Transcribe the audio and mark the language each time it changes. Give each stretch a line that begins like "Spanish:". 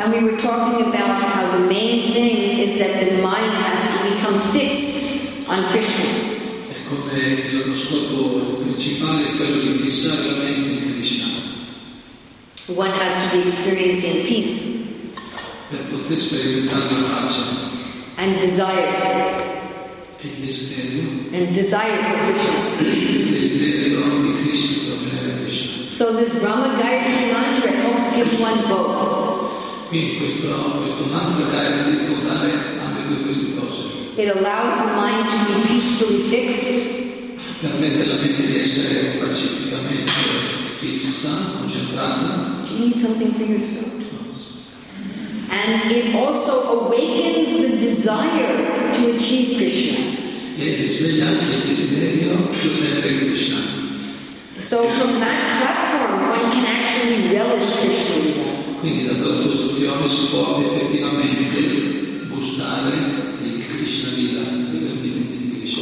English: And we were talking about how the main thing is that the mind has to become fixed on Krishna.
Italian: Come lo scopo principale è quello di fissare la mente in Krishna.
English: One has to be experiencing peace.
Italian: Per poter sperimentare la pace.
English: And desire.
Italian: E desiderio.
English: And desire for Krishna.
Italian: E desiderio di Krishna per Krishna.
English: So this Rama Gayatri mantra helps give one both.
Italian: Quindi questo mantra Gayatri può dare anche due queste cose.
English: It allows the mind to be peacefully fixed.
Italian: Permette la mente di essere pacificamente fissa, concentrata.
English: Do you need something for your throat? And it also awakens the desire to achieve Krishna.
Italian: E risveglia anche il desiderio di ottenere Krishna.
English: So from that platform one can actually relish Krishna.
Italian: Quindi da quella posizione si può effettivamente gustare il Krishna Lila, il divertimento di Krishna.